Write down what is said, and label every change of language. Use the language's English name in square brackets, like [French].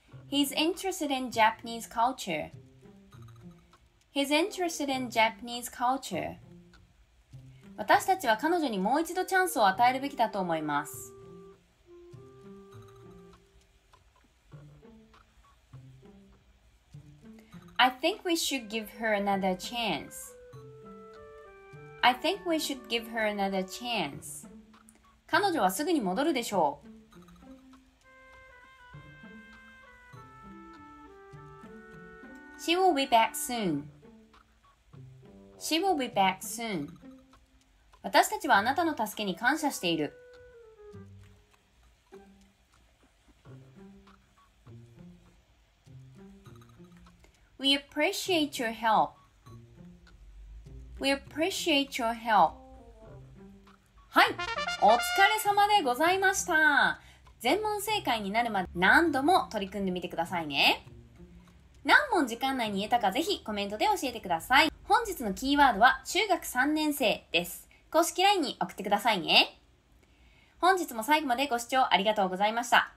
[English] He's interested in Japanese culture. He's interested in Japanese culture. [Japanese] 私たちは彼女にもう一度チャンスを与えるべきだと思います。 [English] I think we should give her another chance. I think we should give her another chance. [Japanese] 彼女はすぐに戻るでしょう。 [English] She will be back soon. She will be back soon. [Japanese] 私たちはあなたの助けに感謝している。 [English] We appreciate your help. We appreciate your help. [Japanese] はい、お疲れ様でございました。全問正解になるまで何度も取り組んでみてくださいね。何問時間内に言えたかぜひコメントで教えてください。本日のキーワードは中学3年生です。公式 LINE に送ってくださいね。本日も最後までご視聴ありがとうございました。